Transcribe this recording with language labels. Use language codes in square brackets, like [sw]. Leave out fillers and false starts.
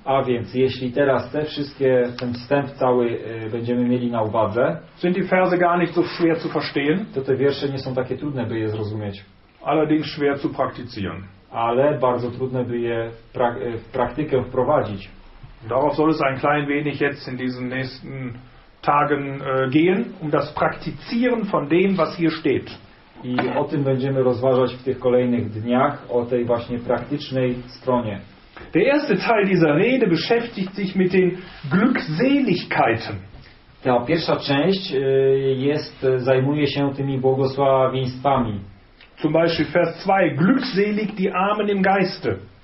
[pl] a więc jeśli teraz te wszystkie, ten wstęp cały będziemy mieli na uwadze, [de] sind die Verse gar nicht so schwer zu verstehen, [pl] to te wiersze nie są takie trudne, by je zrozumieć. [de] Allerdings schwer zu praktizieren. [pl] Ale bardzo trudne, by je w praktykę wprowadzić. [de] Darauf soll es ein klein wenig jetzt in diesen nächsten Tagen gehen, um das Praktizieren von dem, was hier steht. [pl] I o tym będziemy rozważać w tych kolejnych dniach, o tej właśnie praktycznej stronie. [de] Der erste Teil dieser Rede beschäftigt sich mit den Glückseligkeiten. [pl] Ta pierwsza część zajmuje się tymi błogosławieństwami. [de] Zum Beispiel Vers 2, glückselig die Armen im Geiste.